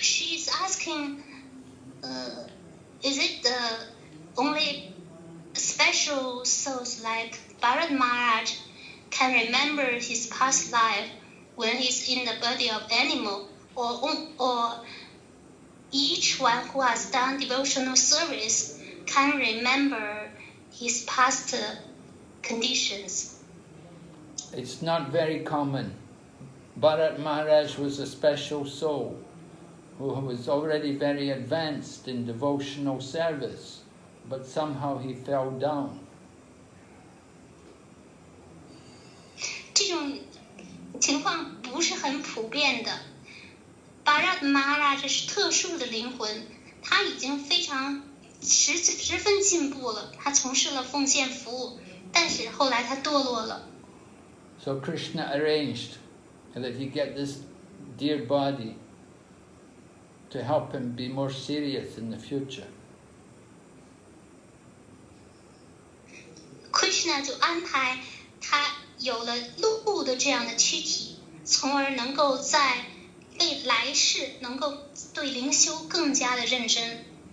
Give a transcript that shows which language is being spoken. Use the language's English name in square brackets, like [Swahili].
[English] Is it the only special souls like Bharat Maharaj can remember his past life when he's in the body of animal, or each one who has done devotional service can remember his past conditions? It's not very common. Bharat Maharaj was a special soul. Who was already very advanced in devotional service, but somehow he fell down. [Chinese] 这种情况不是很普遍的。 Bharat Maharaj 是特殊的灵魂，他已经非常十分进步了。他从事了奉献服务，但是后来他堕落了。 [English] So Krishna arranged that he get this dear body. To help him be more serious in the future. [Chinese] Krishna 就安排他有了鹿的这样的躯体，从而能够在为来世能够对灵修更加的认真。